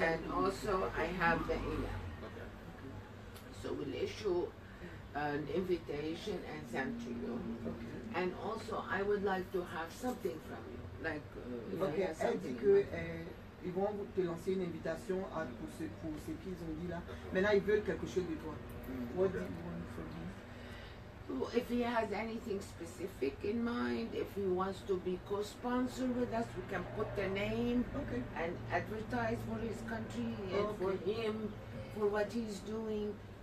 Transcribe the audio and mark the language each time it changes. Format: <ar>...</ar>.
<en>And also I have the email. Okay. So we'll issue an invitation and send to you. Okay. And also, I would like to have something from you. Like, okay.</en> <fr>Elle dit que ils vont te lancer une invitation à pour ce qu'ils ont dit là. Mais là, ils veulent quelque chose de toi.</fr> <en>What do you want from me? If he has anything specific in mind, if he wants to be co-sponsor with us, we can put the name and advertise for his country and for him, for what he's doing.</en>